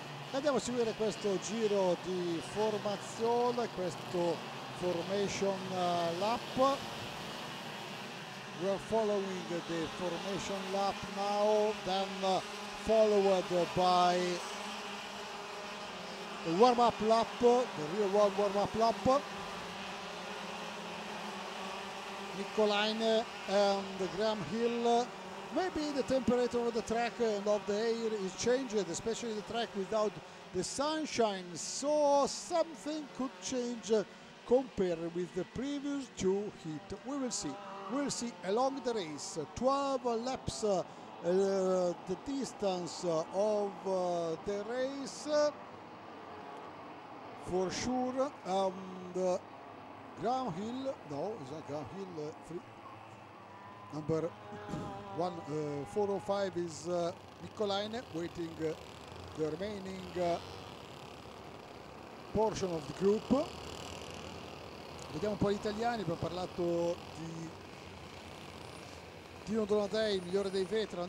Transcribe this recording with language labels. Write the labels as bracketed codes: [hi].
[it] Andiamo a seguire questo giro di formazione, questo formation lap. [en] We are following the formation lap now, then followed by the warm-up lap, the real world warm-up lap. Mikko Laine and Graham Hill. Maybe the temperature of the track and of the air is changed, especially the track without the sunshine, so something could change compared with the previous two hit. We'll see along the race. 12 laps the distance of the race for sure. And Graham Hill, no, is that Graham Hill three, number one, 405 is Mikko Laine waiting the remaining portion of the group. [it] Vediamo un po' gli italiani. Abbiamo parlato di Dino Donadei, migliore dei veteran.